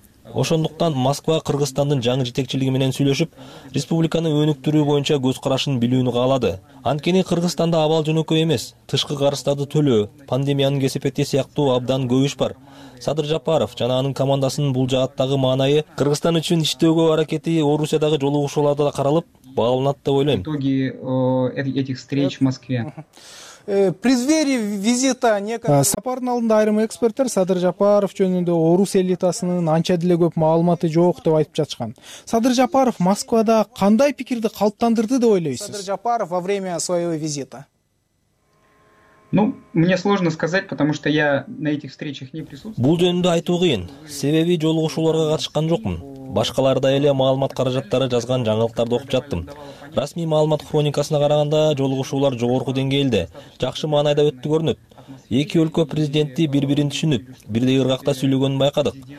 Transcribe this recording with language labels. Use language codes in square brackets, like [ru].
[ky] Ошондуктан Москва Кыргызстандын жаңы жетекчилиги менен сүйлөшүп, республиканы өнүктүрүү боюнча көз карашын билүүнү каалады. Анткени Кыргызстанда абал жөнөкөй эмес, тышкы карыздарды төлөө, пандемиянын кесепети сыяктуу абдан көп иш бар. Садыр Жапаров жана анын командасынын бул жааттагы маанайы, Кыргызстан үчүн иштөөгө аракети Орусиядагы жолугушууларда да каралып, баалынат деп ойлойм. [ru] Итоги этих встреч в Москве. [ky] Сапардын алдында айрым эксперттер Садыр Жапаров жөнүндө орус элитасынын анча деле көп маалыматы жок деп айтып жатышкан. Садыр Жапаров Москвада кандай пикирди калыптандырды деп ойлойсуз? [ru] Садыр Жапаров во время своего визита. Ну, мне сложно сказать, потому что я на этих встречах не присутствую. [ky] Бул жөнүндө айтуу кыйын. Себеби жолугушууларга катышкан жокмун. Башкалардай эле маалымат каражаттары жазган жаңылыктарды окуп жаттым. Расмий маалымат хроникасына караганда жолугушуулар жогорку деңгээлде, жакшы маанайда өттү көрүнөт. Эки өлкө президенти бири-бирин түшүнүп, бирдей ыргакта сүйлөгөнүн байкадык.